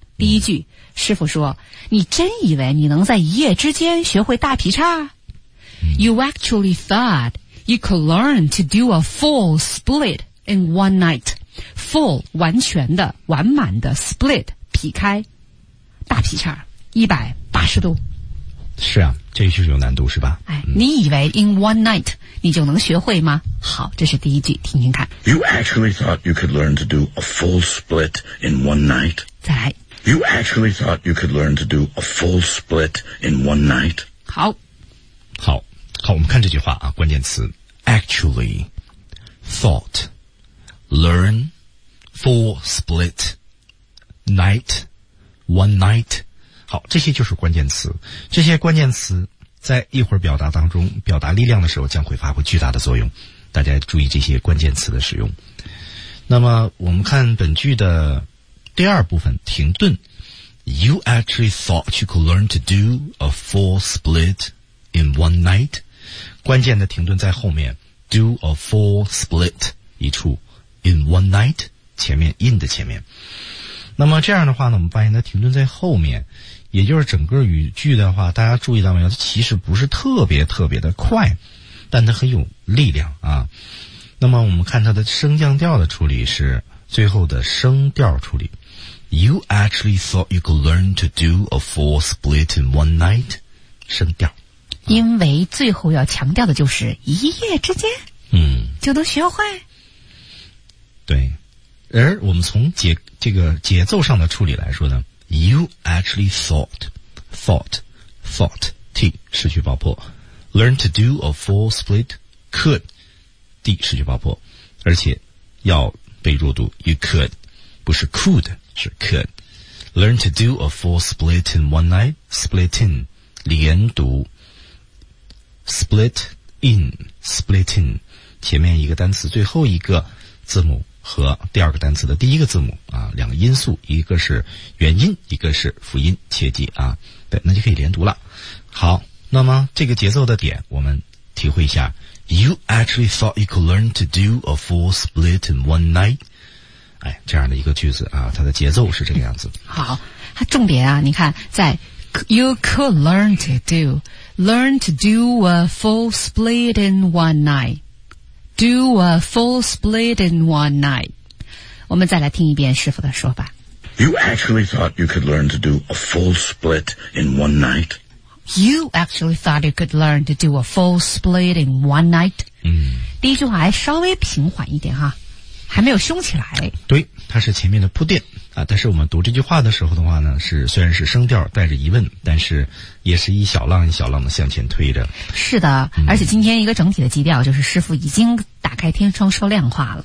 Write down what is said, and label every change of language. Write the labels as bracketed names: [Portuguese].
[Chinese] 第一句，师傅说：“你真以为你能在一夜之间学会大劈叉 ？” [English] You actually thought you could learn to do a full split in one night. [Chinese] Full 完全的完满的 split 劈开大劈叉180度是啊这就是有难度是吧、哎、你以为 [English] in one night [Chinese] 你就能学会吗好这是第一句听听看 [English] You actually thought you could learn to do a full split in one night [Chinese] 再来 [English] You actually thought you could learn to do a full split in one night [Chinese] 好好好我们看这句话啊关键词 [English] actually thoughtLearn, full split, night, one night. [Chinese] 好，这些就是关键词。这些关键词在一会儿表达当中，表达力量的时候将会发挥巨大的作用。大家注意这些关键词的使用。那么，我们看本句的第二部分，停顿。 [English] You actually thought you could learn to do a full split in one night? [Chinese] 关键的停顿在后面。 [English] Do a full split, [Chinese] 一处。 [English] In one night, [Chinese] 前面 in 的前面。那么这样的话呢，我们发现它停顿在后面，也就是整个语句的话，大家注意到没有？它其实不是特别特别的快，但它很有力量啊。那么我们看它的升降调的处理是最后的升调处理。 [English] You actually thought you could learn to do a full split in one night? [Chinese] 升调。因为最后要强调的就是一夜之间，嗯，就能学会。对，而我们从节奏上的处理来说呢 ， [English] You actually thought, [Chinese] T 失去爆破 ， [English] learn to do a full split could [Chinese] D 失去爆破，而且要被弱读 ， [English] You could [Chinese] 不是 could 是 [English] could learn to do a full split in [Chinese] one night split in 连读 split in split in 前面一个单词，最后一个字母。和第二个单词的第一个字母啊，两个因素，一个是元音，一个是辅音，切记啊，对，那就可以连读了。好，那么这个节奏的点，我们体会一下。 [English] You actually thought you could learn to do a full split in one night。 [Chinese] 哎，这样的一个句子啊，它的节奏是这个样子。好，它重点啊，你看，在 [English] you could learn to do a full split in one night。 Do a full split in one night. [Chinese] 我们再来听一遍师傅的说法。 [English] You actually thought you could learn to do a full split in one night. You actually thought you could learn to do a full split in one night. 嗯， [Chinese] 第一句话还稍微平缓一点哈，还没有凶起来。对，它是前面的铺垫啊。但是我们读这句话的时候的话呢，是虽然是声调带着疑问，但是也是一小浪一小浪的向前推着。是的，而且今天一个整体的基调就是师傅已经打开天窗说亮话了。